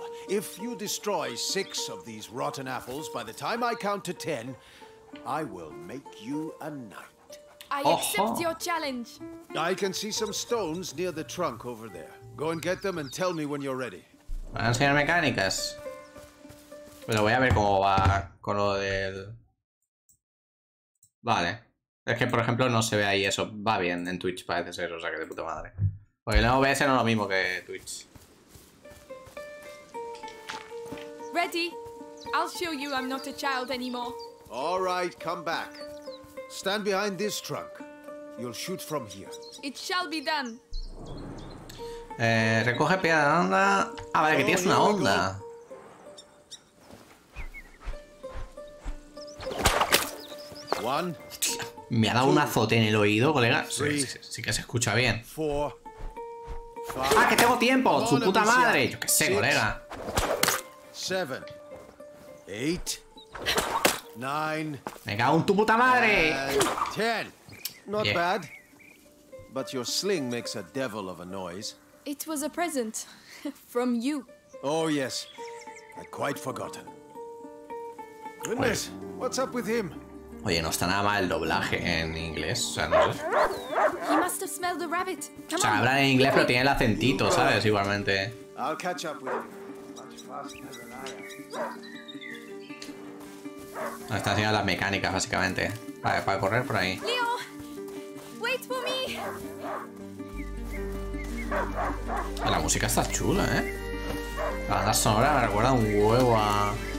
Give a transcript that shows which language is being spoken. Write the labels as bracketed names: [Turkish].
[English] If you destroy 6 of these rotten apples by the time I count to 10, I will make you a knight. I accept your challenge. I can see some stones near the trunk over there. Go and get them and tell me when you're ready. [Spanish] Van a enseñar mecánicas. Pero voy a ver cómo va con lo del. Vale. Es que, por ejemplo, no se ve ahí eso. Va bien en Twitch, parece ser. O sea, que de puta madre. Porque el OBS no es lo mismo que Twitch. [English] Ready. I'll show you I'm not a child anymore. All right, come back. Stand behind this trunk. You'll shoot from here. It shall be done. [Spanish] Recoge piedra de onda. Ah, vale, que tienes una onda. [English] One. [Spanish] Me ha dado un azote en el oído, colega. Sí que se escucha bien. [English] Four, five, [Spanish] ¡ah, que tengo tiempo! ¡Su puta madre! Yo qué sé, colega. [English] Seven. Eight. 9. [Spanish] Me cago en tu puta madre. [English] 10. Not bad. But your sling makes a devil of a noise. It was a present from you. Oh yes. I'd quite forgotten. Goodness. [Spanish] Oye. [English] What's up with him? [Spanish] Oye, no está nada mal el doblaje en inglés, o sea, no sé. [English] He must have smelled the rabbit. [Spanish] O sea, habla en inglés, pero tiene el acentito, ¿sabes? Igualmente. [English] I'll catch up with him. Much faster than I am. [Spanish] Nos está enseñando las mecánicas, básicamente. Vale, para correr por ahí. [English] Leo, wait for me. [Spanish] La música está chula, ¿eh? La banda sonora me recuerda un huevo a...